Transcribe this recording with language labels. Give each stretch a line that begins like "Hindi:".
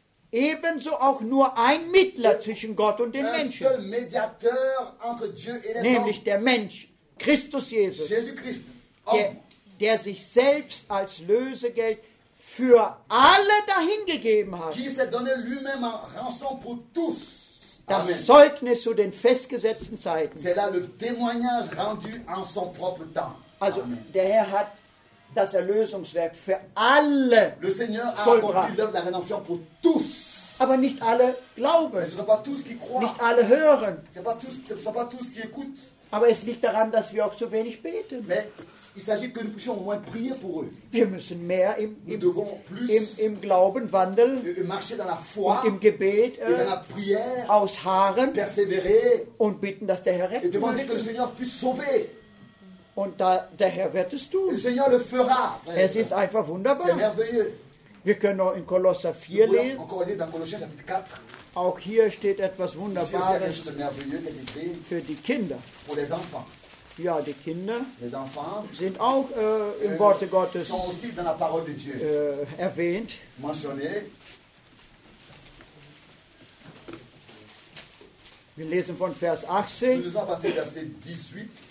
German: Ebenso auch nur ein Mittler zwischen Gott und den Menschen.
French: Un seul médiateur entre Dieu et les hommes.
German: Nämlich der Mensch, Christus Jesus.
French: Jesus Christ,
German: der sich selbst als Lösegeld für alle dahingegeben hat.
French: Qui s'est donné lui-même en rançon pour tous.
German: Das Zeugnis zu den festgesetzten Zeiten.
French: C'est là le témoignage rendu en son propre temps.
German: Also, Amen. Der Herr hat das Erlösungswerk für alle
French: le Seigneur a accompli l'œuvre de la rédemption pour tous.
German: Aber nicht alle glauben.
French: Mais ce ne sont pas tous qui croient.
German: Nicht alle hören.
French: Ce ne sont pas tous qui écoutent.
German: Aber es liegt daran, dass wir auch zu wenig beten.
French: Mais il s'agit que nous puissions au moins prier pour eux.
German: Wir müssen mehr im Glauben wandeln,
French: et marcher dans la foi,
German: im Gebet,
French: et dans la prière,
German: ausharren,
French: persévérer,
German: und bitten, dass der Herr rettet.
French: Et demander que le Seigneur puisse sauver.
German: Und da, der Herr wird es tun.
French: Le Seigneur le fera.
German: Es ist einfach wunderbar.
French: C'est merveilleux.
German: Wir können auch in Kolosser 4 lesen.
French: Encore lire dans Colossiens chapitre 4.
German: Auch hier steht etwas Wunderbares für die Kinder.
French: Pour les enfants.
German: Ja, die Kinder
French: les enfants
German: sind auch im Worte Gottes
French: sont aussi dans la parole de Dieu.
German: Erwähnt.
French: Mentionné.
German: Wir lesen von Vers 18.
French: Nous lisons à partir de verset 18.